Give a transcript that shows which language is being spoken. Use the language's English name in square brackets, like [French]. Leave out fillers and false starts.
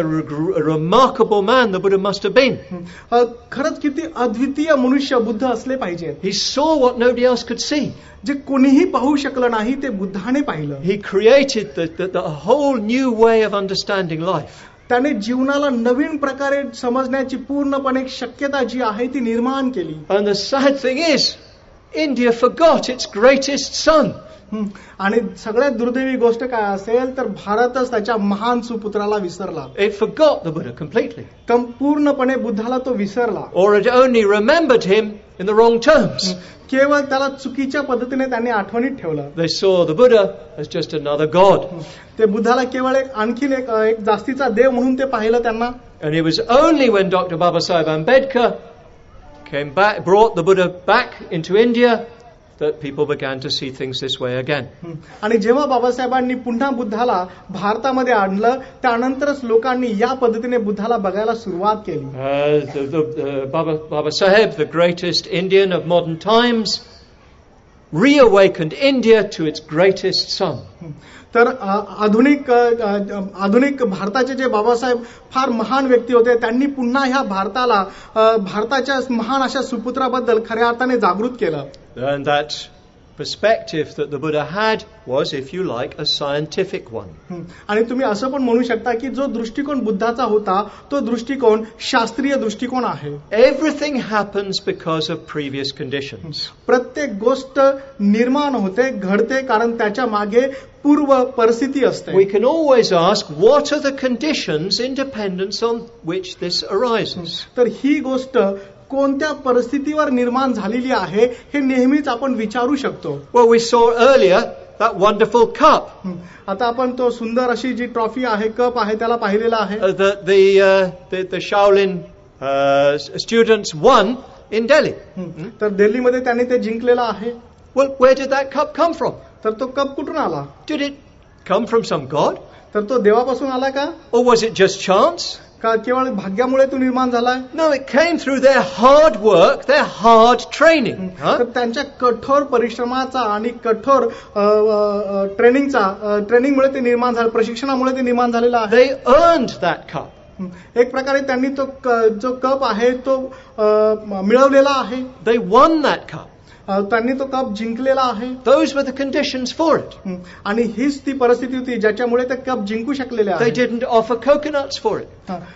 [English] What a remarkable man the Buddha must have been. [Marathi] खरंच किती अद्वितीय मनुष्य बुद्ध असले पाहिजे. [English] He saw what nobody else could see. [Marathi] जे कोणीही पाहू शकलं नाही ते बुद्धाने पाहिलं. [English] He created the whole new way of understanding life. [Marathi] त्याने जीवनाला नवीन प्रकारे समजण्याची पूर्णपणे शक्यता जी आहे ती निर्माण केली. [English] And the sad thing is, India forgot its greatest son. [Marathi] आणि सगळ्यात दुर्दैवी गोष्ट काय असेल तर भारतच त्याच्या महान सुपुत्राला विसरला. [English] It forgot the Buddha completely. [Marathi] संपूर्णपणे बुद्धाला तो विसरला. [English] Or it only remembered him in the wrong terms. [Marathi] केवळ त्याला चुकीच्या पद्धतीने त्यांनी आठवणीत ठेवलं. [English] They saw the Buddha as just another god. [Marathi] ते बुद्धाला केवळ एक आणखीन एक जास्तीचा देव म्हणून ते पाहिलं त्यांना. [English] And it was only when Dr. Babasaheb Ambedkar came back, brought the Buddha back into India, that people began to see things this way again. [Marathi] आणि जेव्हा बाबासाहेबांनी पुन्हा बुद्धाला भारतामध्ये आणलं त्यानंतरच लोकांनी या पद्धतीने बुद्धाला बघायला सुरुवात केली. [English] Babasaheb, the greatest Indian of modern times, reawakened India to its greatest sun. [Marathi] तर आधुनिक आधुनिक भारताचे जे बाबासाहेब फार महान व्यक्ती होते त्यांनी पुन्हा ह्या भारताला भारताच्या महान अशा सुपुत्राबद्दल खऱ्या अर्थाने जागृत केलं. [English] And that perspective that the Buddha had was, if you like, a scientific one. [Marathi] आणि तुम्ही असं पण म्हणू शकता की जो दृष्टिकोन बुद्धाचा होता तो दृष्टिकोन शास्त्रीय दृष्टिकोन आहे. [English] Everything happens because of previous conditions. [Marathi] प्रत्येक गोष्ट निर्माण होते घडते कारण त्याच्या मागे पूर्व परिस्थिती असते. [English] We can always ask, what are the conditions in dependence on which this arises? [Marathi] तर ही गोष्ट कोणत्या परिस्थितीवर निर्माण झालेली आहे हे नेहमीच आपण विचारू शकतो. [English] Well, we saw earlier that wonderful cup. [Marathi] आता आपण तो सुंदर अशी जी ट्रॉफी आहे कप आहे त्याला पाहिलेला आहे. [English] The Shaolin students won in Delhi. [Marathi] तर दिल्लीमध्ये त्यांनी ते जिंकलेलं आहे. [English] Well, where did that cup come from? [Marathi] तर तो कप कुठून आला? [English] Did it come from some god? [Marathi] तर तो देवापासून आला का? [English] Or was it just chance? [Marathi] केवळ भाग्यामुळे तो निर्माण झालाय. [English] No, it came through their hard work, their hard training. [Marathi] त्यांच्या कठोर परिश्रमाचा आणि कठोर ट्रेनिंगचा ट्रेनिंगमुळे ते निर्माण झालं, प्रशिक्षणामुळे ते निर्माण झालेलं आहे. [English] They earned that cup. [Marathi] एक प्रकारे त्यांनी तो जो कप आहे तो मिळवलेला आहे. [English] They won that cup. [Marathi] त्यांनी तो कप जिंकलेला आहे. [English] Those were the conditions for it. [Marathi] आणि हीच ती परिस्थिती होती ज्याच्यामुळे ते कप जिंकू शकलेले आहे. [English] They didn't offer coconuts for it.